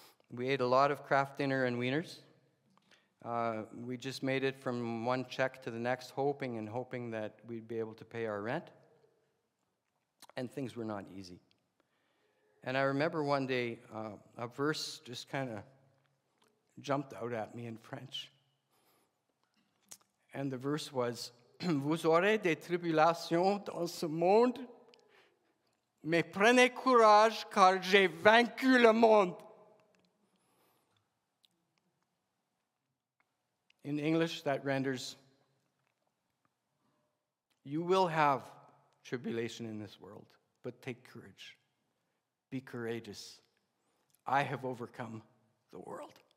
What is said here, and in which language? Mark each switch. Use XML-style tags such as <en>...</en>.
<en>We ate a lot of Kraft dinner and wieners. We just made it from one check to the next, hoping that we'd be able to pay our rent. And things were not easy. And I remember one day a verse just kind of jumped out at me in French. And the verse was,</en> <fr>vous aurez des tribulations dans ce monde, mais prenez courage car j'ai vaincu le monde.</fr> <en>In English, that renders, you will have tribulation in this world, but take courage. Be courageous. I have overcome the world.</en>